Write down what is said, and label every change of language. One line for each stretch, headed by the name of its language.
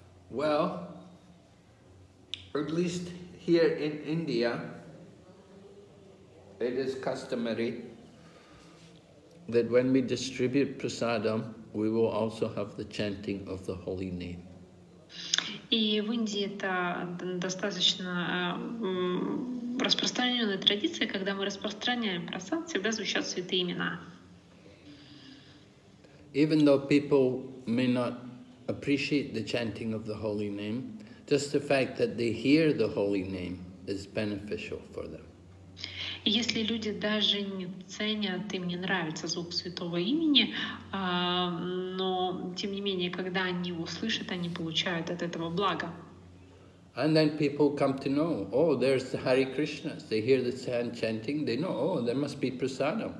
English: Well, at least here in India, it is customary that when we distribute prasadam, we will also have the chanting of the holy name.
Russian: И в Индии это достаточно распространенная традиция, когда мы распространяем прасад, всегда звучат святые имена.
English: Even though people may not appreciate the chanting of the holy name, just the fact that they hear the holy name is beneficial for them.
Russian: Если люди даже не ценят, им не нравится звук святого имени, но тем не менее, когда они его слышат, они получают от этого благо.
English: And then people come to know, oh, there's the Hare Krishna. They hear the sound chanting, they know, oh, there must be prasadam.